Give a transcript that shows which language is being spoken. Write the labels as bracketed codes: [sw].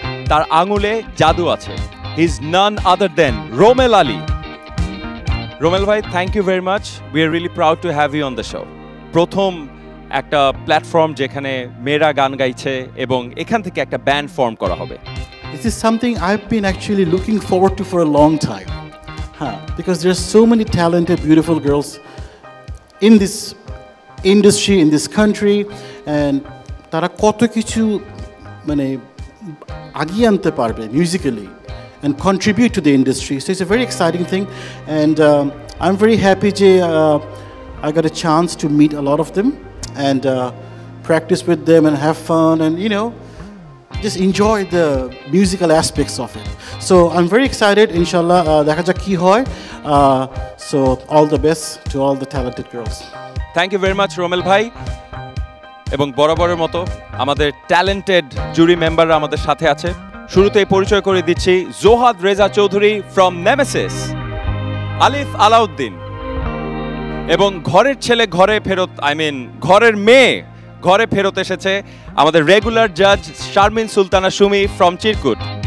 [bn] তার আঙুলে জাদু আছে, [en] He is none other than Romel Ali. Romel ভাই, thank you very much, we are really proud to have you on the show. [bn] প্রথম একটা প্ল্যাটফর্ম যেখানে মেয়েরা গান গাইছে এবং এখান থেকে একটা ব্যান্ড ফর্ম করা হবে। [en] This is something I have been actually looking forward to for a long time. [bn] হ্যাঁ, [en] because there are so many talented beautiful girls in this industry, in this country, and [bn] তারা কত কিছু মানে আগিয়ে আনতে পারবে [en] Musically and contribute to the industry, so it's a very exciting thing, and I'm very happy je I got a chance to meet a lot of them and practice with them and have fun and you know just enjoy the musical aspects of it. So I'm very excited, [bn] inshallah dekha jak ki hoy. [en] So all the best to all the talented girls. Thank you very much [bn] Romel bhai, ebong boraborer moto amader talented jury member amader sathe ache। শুরুতেই পরিচয় করে দিচ্ছি, Zohad Reza Chowdhury from Nemesis, আলিফ আলাউদ্দিন, এবং ঘরের ছেলে ঘরে ফেরত, I mean ঘরের মেয়ে ঘরে ফেরত এসেছে, আমাদের রেগুলার জাজ শারমিন সুলতানা সুমি ফ্রম চিরকুট।